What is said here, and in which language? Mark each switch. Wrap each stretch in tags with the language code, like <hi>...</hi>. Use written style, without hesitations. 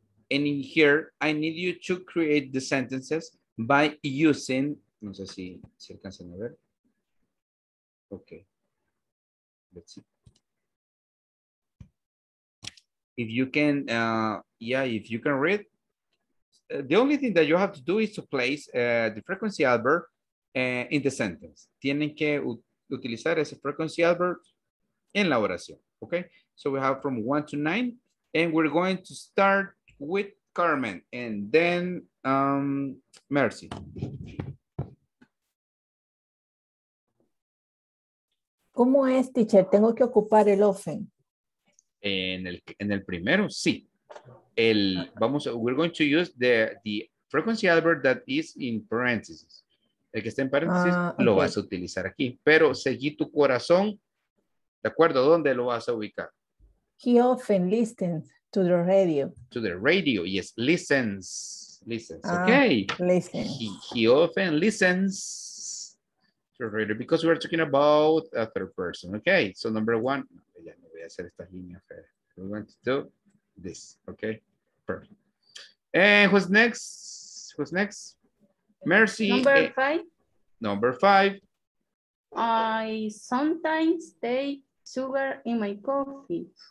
<en>And in here, I need you to create the sentences by using,</en> <es>no sé si se alcanzan a ver.</es> <en>Okay. Let's see. If you can, if you can read. The only thing that you have to do is to place the frequency adverb in the sentence.</en> <es>Tienen que utilizar ese frequency adverb en la oración.</es> <en>Okay. So we have from 1 to 9. And we're going to start with Carmen and then Mercy.</en> <es>¿Cómo es, teacher? ¿Tengo que ocupar el often? En el primero, sí.</es> <en>We're going to use the frequency adverb that is in parentheses.</en> <es>El que está en paréntesis, lo vas a utilizar aquí. Pero seguí tu corazón, ¿de acuerdo? ¿Dónde lo vas a ubicar?</es> <en>He often listens to the radio. To the radio, yes. Listens. Okay. Listens. He often listens to the radio because we're talking about a third person. Okay. So number one,</en> <es>ya no voy a hacer esta línea.</es> <en>We're going to do this. Okay. Perfect. And who's next? Mercy. Number five. I sometimes take sugar in my coffee.</en>